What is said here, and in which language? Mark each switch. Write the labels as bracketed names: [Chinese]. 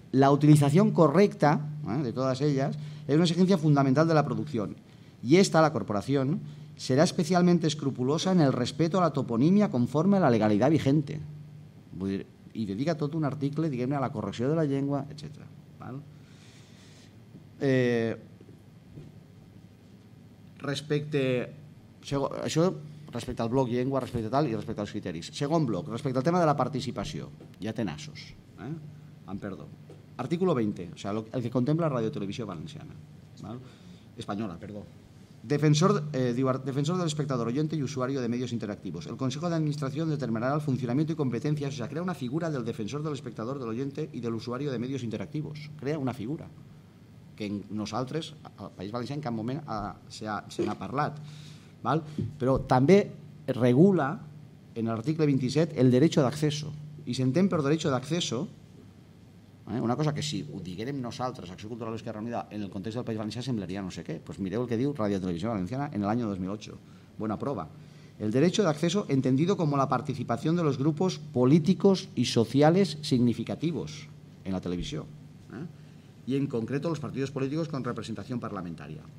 [Spanish] La utilización correcta de todas ellas es una exigencia fundamental de la producción. Y esta, la Corporación, será especialmente escrupulosa en el respeto a la toponimia conforme a la legalidad vigente. Y dedica todo un artículo, digamos, a la corrección de la lengua, etc. ¿Vale? [Catalan] respecte, això respecte al bloc llengua, respecte tal i respecte als criteris. Segon bloc, respecte al tema de la participació, ja té nassos, amb perdó. [Spanish] Artículo 20, o sea, el que contempla la Radio Televisió Valenciana, ¿vale? Espanyola, perdó. Defensor del espectador oyente y usuario de medios interactivos. El Consejo de Administración determinará el funcionamiento y competencias, o sea, crea una figura del defensor del espectador, del oyente y del usuario de medios interactivos. [Catalan] Crea una figura que en nosaltres, al País Valencià, en cap moment se n'ha parlat, ¿vale? Però també regula en l'article 27 [Spanish] el derecho de acceso [Catalan] i s'entén per [Spanish] derecho de acceso. [Catalan] Una cosa que si ho diguérem nosaltres, Acció Cultural Esquerra Unida, en el context del País Valencià semblaria no sé què. Pues mireu el que diu Radio Televisió Valenciana en l'any 2008. Bona prova. [Spanish] El derecho de acceso entendido como la participación de los grupos políticos y sociales significativos en la televisió. Y en concreto los partidos políticos con representación parlamentaria.